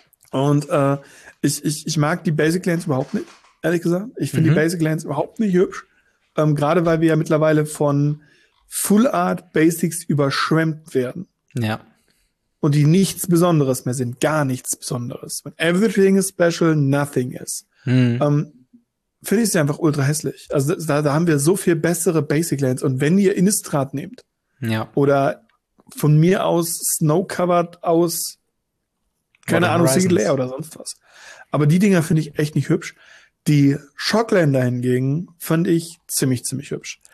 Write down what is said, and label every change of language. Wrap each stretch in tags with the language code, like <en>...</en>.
<de>Und ich mag die Basic Lands überhaupt nicht, ehrlich gesagt. Ich finde die Basic Lands überhaupt nicht hübsch. Gerade weil wir ja mittlerweile von Full Art Basics überschwemmt werden. Ja. Und die nichts Besonderes mehr sind. Gar nichts Besonderes.</de> <en>When everything is special, nothing is.</en> <de>Finde ich sie einfach ultra hässlich. Also da haben wir so viel bessere Basic Lands. Und wenn ihr Innistrad nehmt, ja, oder von mir aus Snowcovered aus, keine Ahnung, Single Layer oder sonst was. Aber die Dinger finde ich echt nicht hübsch. Die Shocklander hingegen fand ich ziemlich, ziemlich hübsch.</de>